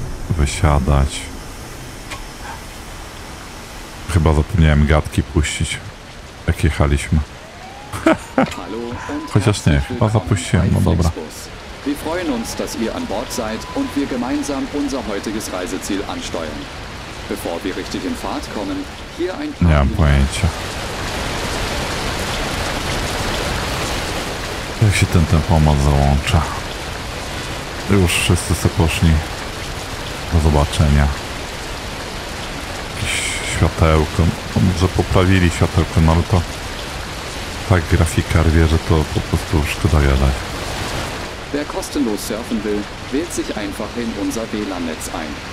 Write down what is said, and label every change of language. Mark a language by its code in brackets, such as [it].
[pl] Wysiadać. Chyba zapomniałem gadki puścić, jak jechaliśmy. Halo, Chociaż nie, chyba zapuściłem, no dobra. [de] Wir freuen uns, dass ihr an Bord seid und wir gemeinsam unser heutiges Reiseziel ansteuern. Bevor wir richtig in Fahrt kommen, hier ein paar... [pl] Nie mam pojęcia. Jak się ten tempomat załącza? Już wszyscy sobie poszli. Do zobaczenia. Jakieś światełko. Może poprawili światełko, no ale to... Tak grafikar wie, że to po prostu szkoda jadać. [de] Wer kostenlos surfen will, wählt sich einfach in unser WLAN-Netz ein.